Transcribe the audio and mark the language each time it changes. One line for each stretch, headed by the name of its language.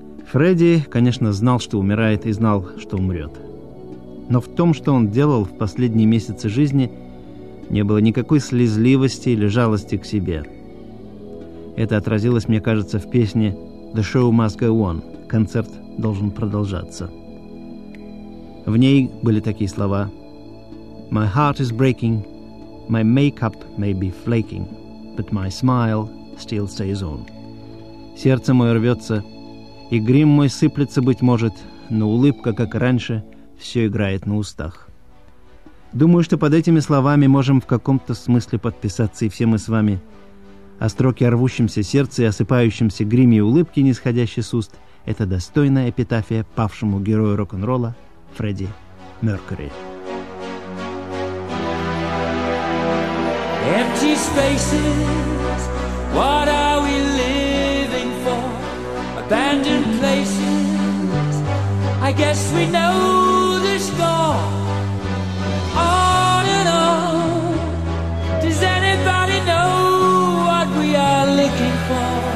Russian: Фредди, конечно, знал, что умирает, и знал, что умрет. Но в том, что он делал в последние месяцы жизни, не было никакой слезливости или жалости к себе. Это отразилось, мне кажется, в песне
English: «The show must go on»
Russian: — «Концерт должен продолжаться». В ней были такие слова:
English: «My heart is breaking, my makeup may be flaking, but my smile still stays on».
Russian: «Сердце мое рвется, и грим мой сыплется, быть может, но улыбка, как раньше, все играет на устах». Думаю, что под этими словами можем в каком-то смысле подписаться и все мы с вами. а строки о рвущемся сердце и осыпающемся гриме улыбки, нисходящей с уст, это достойная эпитафия павшему герою рок-н-ролла Фредди Меркьюри.
English: Empty spaces, what are we living for? Abandoned places, I guess we know the score. On and on, does anybody know what we are looking for?